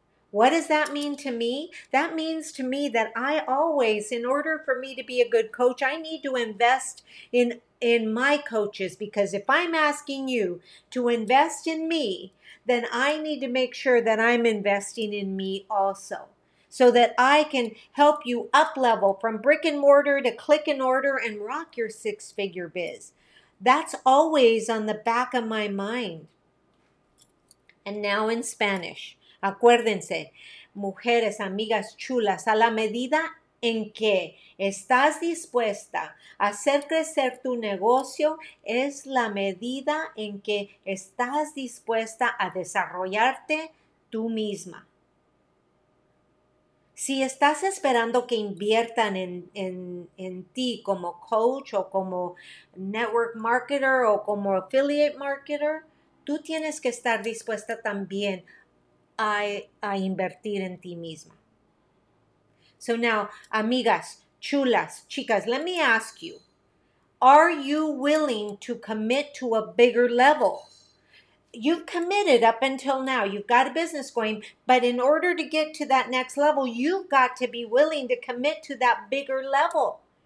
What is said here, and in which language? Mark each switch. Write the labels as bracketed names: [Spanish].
[English] What does that mean to me? That means to me that I always, in order for me to be a good coach, I need to invest in my coaches, because if I'm asking you to invest in me, then I need to make sure that I'm investing in me also, so that I can help you up level from brick and mortar to click and order and rock your six-figure biz. That's always on the back of my mind. And now in Spanish, [Spanish] acuérdense, mujeres, amigas chulas, a la medida en que estás dispuesta a hacer crecer tu negocio, es la medida en que estás dispuesta a desarrollarte tú misma. Si estás esperando que inviertan en ti como coach o como network marketer o como affiliate marketer, tú tienes que estar dispuesta también a invertir en ti misma. [English] So now, [Spanish] amigas, chulas, chicas, [English] let me ask you, are you willing to commit to a bigger level? You've committed up until now. You've got a business going, but in order to get to that next level, you've got to be willing to commit to that bigger level.